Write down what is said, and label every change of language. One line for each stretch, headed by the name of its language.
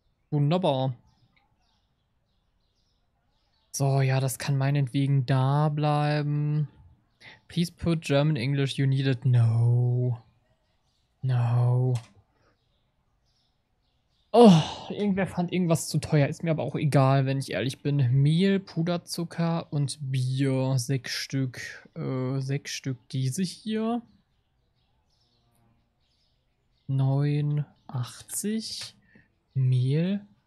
German: Wunderbar. So, ja, das kann meinetwegen da bleiben.
English: Please put German English, you need it. No. No.
German: Oh, irgendwer fand irgendwas zu teuer. Ist mir aber auch egal, wenn ich ehrlich bin. Mehl, Puderzucker und Bier. Sechs Stück diese hier. 89. Mehl.